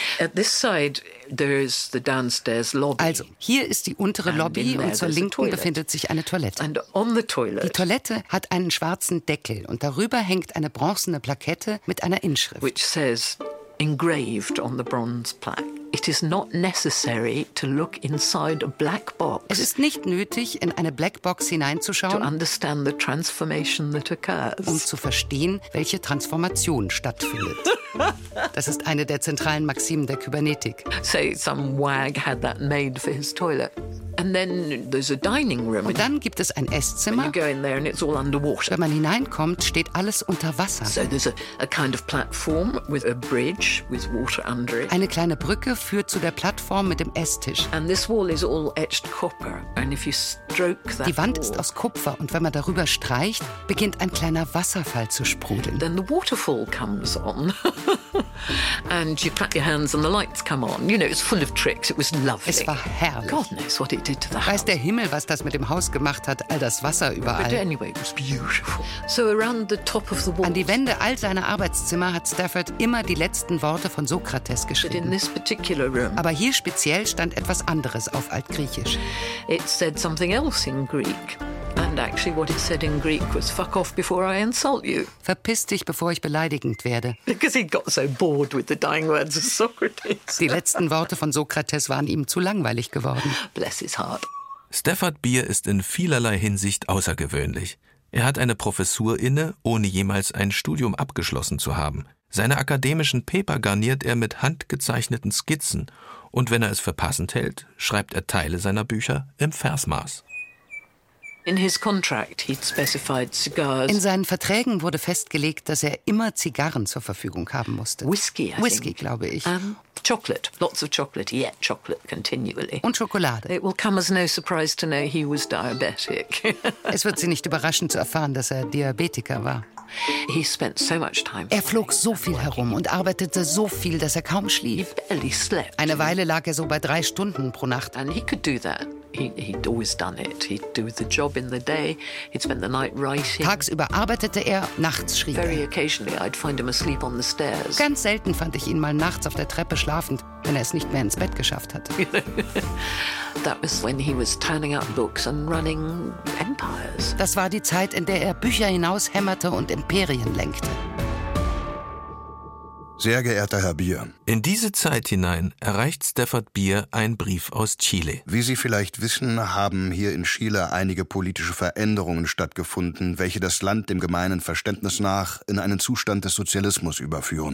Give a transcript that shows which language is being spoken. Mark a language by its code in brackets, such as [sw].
[en] At this side there is the downstairs lobby. [de] Also, hier ist die untere Lobby und zur Linken befindet sich eine Toilette. [en] And on the toilet. [de] Die Toilette hat einen schwarzen Deckel und darüber hängt eine bronzene Plakette mit einer Inschrift. [en] Which says, engraved on the bronze plaque. It is not necessary to look inside a black box. [de] Es ist nicht nötig, in eine Blackbox hineinzuschauen, [en] to understand the transformation that occurs. [de] Um zu verstehen, welche Transformation stattfindet. Das ist eine der zentralen Maximen der Kybernetik. [en] So some wag had that made for his toilet. And then there's a dining room. [de] Und dann gibt es ein Esszimmer. [en] And you go in there and it's all underwater. [de] Wenn man hineinkommt, steht alles unter Wasser. [en] So there's a kind of platform with a bridge with water under it. [de] Eine kleine Brücke führt zu der Plattform mit dem Esstisch. [en] And this wall is all etched copper. And if you stroke that, [de] die Wand [en] wall, [de] ist aus Kupfer und wenn man darüber streicht, beginnt ein kleiner Wasserfall zu sprudeln. [en] Then the waterfall comes on. And you clap your hands and the lights come on. You know, it's full of tricks. It was lovely. [de] Es war herrlich. [en] God knows what it did to the house. [de] Weiß der Himmel, was das mit dem Haus gemacht hat, all das Wasser überall. [en] But anyway, it was beautiful. So around the top of the walls. [de] An die Wände all seiner Arbeitszimmer hat Stafford immer die letzten Worte von Sokrates geschrieben. [en] But in this particular room, [de] aber hier speziell stand etwas anderes auf Altgriechisch. [en] It said something else in Greek. And actually what it said in Greek was fuck off before I insult you. [de] Verpiss dich, bevor ich beleidigend werde. [en] Because he'd got so bored with the dying words of Socrates. [de] Die letzten Worte von Sokrates waren ihm zu langweilig geworden. [en] Bless his heart. [de] Stafford Beer ist in vielerlei Hinsicht außergewöhnlich. Er hat eine Professur inne, ohne jemals ein Studium abgeschlossen zu haben. Seine akademischen Paper garniert er mit handgezeichneten Skizzen. Und wenn er es für passend hält, schreibt er Teile seiner Bücher im Versmaß. [en] In his contract he'd specified cigars. [de] In seinen Verträgen wurde festgelegt, dass er immer Zigarren zur Verfügung haben musste. [en] Whisky, [de] glaube ich. [en] Chocolate, lots of chocolate, he ate chocolate continually. [de] Und Schokolade. [en] It will come as no surprise to know he was diabetic. [de] Es wird Sie nicht überraschen zu erfahren, dass er Diabetiker war. [en] He spent so much time. [de] Er flog so viel herum und arbeitete so viel, dass er kaum schlief. [en] He barely slept. [de] Eine Weile lag er so bei 3 Stunden pro Nacht. [en] And he could do that. He'd always done it. He'd do the job in the day. He'd spend the night writing. [de] Tagsüber arbeitete er, nachts schrieb er. [en] Very occasionally I'd find him asleep on the stairs. [de] Ganz selten fand ich ihn mal nachts auf der Treppe schlafend, wenn er es nicht mehr ins Bett geschafft hat. [en] That was when he was turning out books and running empires. [de] Das war die Zeit, in der er Bücher hinaushämmerte und Imperien lenkte. Sehr geehrter Herr Beer. In diese Zeit hinein erreicht Stafford Beer einen Brief aus Chile. Wie Sie vielleicht wissen, haben hier in Chile einige politische Veränderungen stattgefunden, welche das Land dem gemeinen Verständnis nach in einen Zustand des Sozialismus überführen.